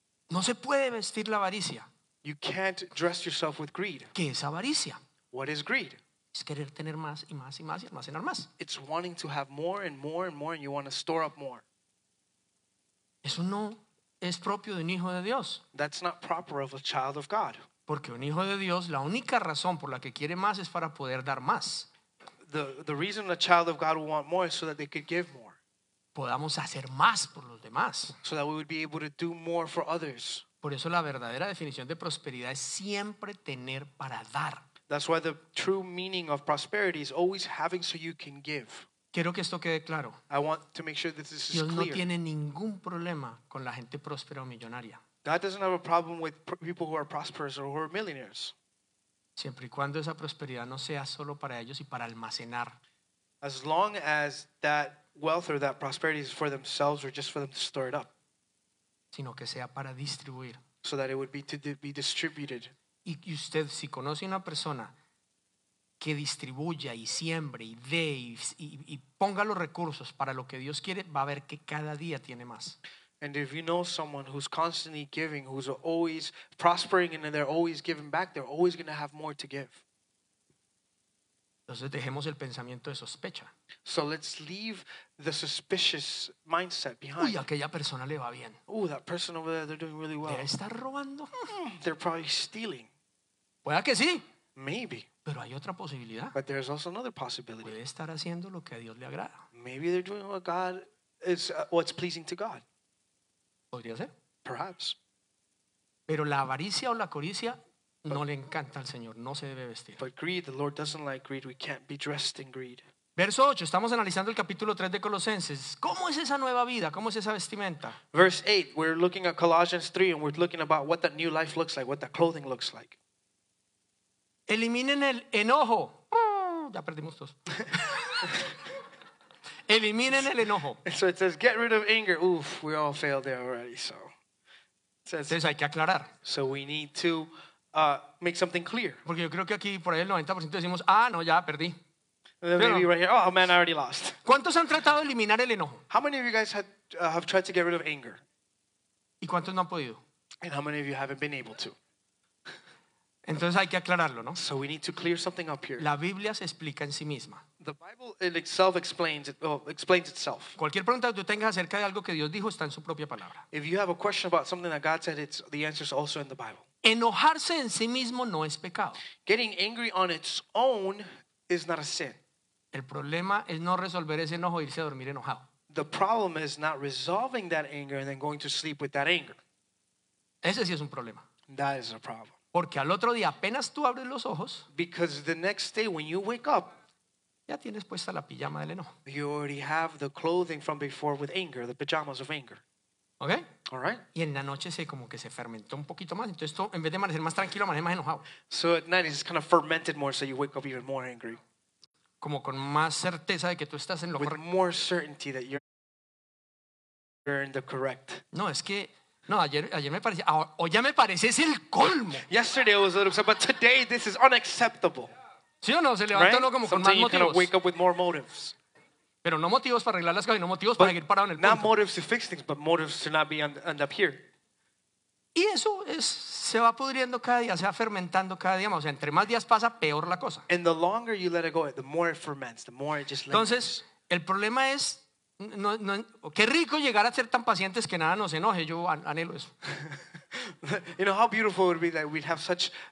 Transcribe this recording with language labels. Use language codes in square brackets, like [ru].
[es] No se puede vestir la avaricia. [en] You can't dress yourself with greed. [es] ¿Qué es avaricia? [en] What is greed? [es] Es querer tener más y más y más y almacenar más. [en] It's wanting to have more and more and more and you want to store up more. [es] Eso no es propio de un hijo de Dios. [en] That's not proper of a child of God. [es] Porque un hijo de Dios, la única razón por la que quiere más es para poder dar más. [en] The reason a child of God would want more is so that they could give more. [es] Podamos hacer más por los demás. [en] So that we would be able to do more for others. [es] Por eso la verdadera definición de prosperidad es siempre tener para dar. [en] That's why the true meaning of prosperity is always having so you can give. [es] Quiero que esto quede claro. [en] I want to make sure that this [es] Dios [en] is clear. [es] No tiene ningún problema con la gente próspera o millonaria. [en] God doesn't have a problem with people who are prosperous or who are millionaires. [es] Siempre y cuando esa prosperidad no sea solo para ellos y para almacenar. [en] As long as that wealth or that prosperity is for themselves or just for them to store it up. [es] Sino que sea para distribuir. [en] So that it would be to be distributed. [es] Y usted, si conoce una persona que distribuya y siembre y dé y ponga los recursos para lo que Dios quiere, va a ver que cada día tiene más. [en] And if you know someone who's constantly giving, who's always prospering and they're always giving back, they're always going to have more to give. [es] Entonces dejemos el pensamiento de sospecha. [en] So let's leave the suspicious mindset behind. [es] Uy, aquella persona le va bien. [en] Ooh, that person over there, they're doing really well. [es] Debe estar robando. [en] They're probably stealing. [es] Puede que sí. [en] Maybe. [es] Pero hay otra posibilidad. [en] But there's also another possibility. [es] Puede estar haciendo lo que a Dios le agrada. [en] Maybe they're doing what God is, what's pleasing to God. [es] Podría ser. [en] Perhaps. [es] Pero la avaricia o la codicia no le encanta al Señor. No se debe vestir. [en] But greed, the Lord doesn't like greed. We can't be dressed in greed. [es] Verso 8. Estamos analizando el capítulo 3 de Colosenses. ¿Cómo es esa nueva vida? ¿Cómo es esa vestimenta? [en] Verse 8. We're looking at Colossians 3 and we're looking about what that new life looks like, what that clothing looks like. [es] Eliminen el enojo. Ya perdimos todos. Eliminen el enojo. [en] So it says, get rid of anger. Oof, we all failed there already. So it says, [es] entonces hay que aclarar. [en] So we need to make something clear. [es] Porque yo creo que aquí por ahí el 90% decimos, ah, no, ya perdí. [en] Maybe no. Right here, oh man, I already lost. [es] ¿Cuántos han tratado de eliminar el enojo? [en] How many of you guys have tried to get rid of anger? [es] ¿Y cuántos no han podido? [en] And how many of you haven't been able to? [es] Entonces hay que aclararlo, ¿no? [en] So we need to clear something up here. [es] La Biblia se explica en sí misma. [en] The Bible in itself explains itself. [es] Cualquier pregunta que tú tengas acerca de algo que Dios dijo está en su propia palabra. [en] If you have a question about something that God said, it's the answer is also in the Bible. [es] Enojarse en sí mismo no es pecado. [en] Getting angry on its own is not a sin. [es] El problema es no resolver ese enojo e irse a dormir enojado. [en] The problem is not resolving that anger and then going to sleep with that anger. [es] Ese sí es un problema. [en] That is a problem. [es] Porque al otro día apenas tú abres los ojos, [en] because the next day when you wake up, [es] ya tienes puesta la pijama del enojo. [en] You already have the clothing from before with anger, the pajamas of anger. Okay. All right. [es] Y en la noche se como que se fermentó un poquito más. Entonces esto, en vez de amanecer más tranquilo, amanece más enojado. [en] So at night it's kind of fermented more, so you wake up even more angry. [es] Como con más certeza de que tú estás en lo correcto. [en] With more certainty that you're in the correct. [es] No, es que no, ayer me parecía, o ya me pareces el colmo. [en] Yesterday it was a little, but today this is unacceptable. [es] ¿Sí o no? Se levanta uno como con más motivos. [en] Sometimes you kind of wake up with more motives. [es] Pero no motivos para arreglar las cosas, no motivos para seguir parado en el punto. [en] Not motives to fix things, but motives to not be end up here. [es] Y eso es, se va pudriendo cada día, se va fermentando cada día. O sea, entre más días pasa, peor la cosa. [en] And the longer you let it go, the more it ferments, the more it just lingers. [es] Entonces, el problema es, no, qué rico llegar a ser tan pacientes que nada nos enoje. Yo anhelo eso. [en] You know, how beautiful it would be that we'd have such